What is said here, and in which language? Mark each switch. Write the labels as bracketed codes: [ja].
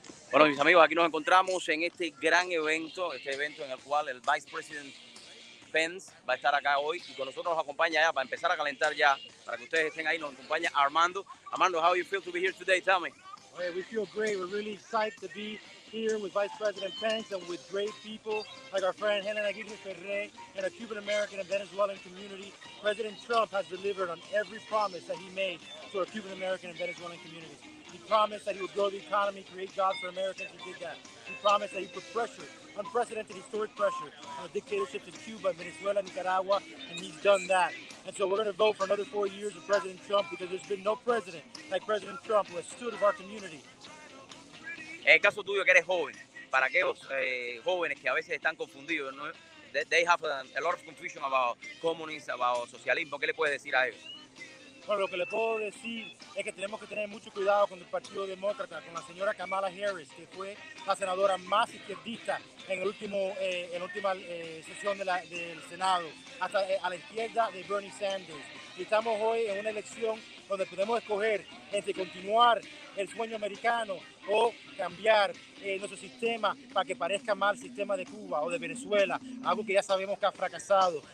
[es] Bueno, mis amigos, aquí nos encontramos en este gran evento, este evento en el cual el Vice President Pence va a estar acá hoy y con nosotros nos acompaña ya, para empezar a calentar ya, para que ustedes estén ahí, nos acompaña Armando. [en] Armando, how you feel to be here today? Tell me. Hey, we feel great. We're really psyched to be here with Vice President Pence and with great people like our friend Helen Aguirre Ferre and a Cuban American and Venezuelan community. President Trump has delivered on every promise that he made to our Cuban American and Venezuelan community. He promised that he would grow the economy, create jobs for Americans, and did that. He promised that he put pressure, unprecedented historic pressure, on the dictatorships in Cuba, Venezuela, Nicaragua, and he's done that. And so we're going to vote for another 4 years of President Trump because there's been no president like President Trump who has stood of our community. [es] En el caso tuyo, que eres joven, para aquellos jóvenes que a veces están confundidos, ¿no? [en] They have a lot of confusion about communism, about socialism. [es] ¿Qué le puedes decir a ellos? Bueno, lo que le puedo decir es que tenemos que tener mucho cuidado con el Partido Demócrata, con la señora Kamala Harris, que fue la senadora más izquierdista en el último en la última sesión de del Senado, hasta a la izquierda de Bernie Sanders. Y estamos hoy en una elección donde podemos escoger entre continuar el sueño americano o cambiar nuestro sistema para que parezca más el sistema de Cuba o de Venezuela, algo que ya sabemos que ha fracasado.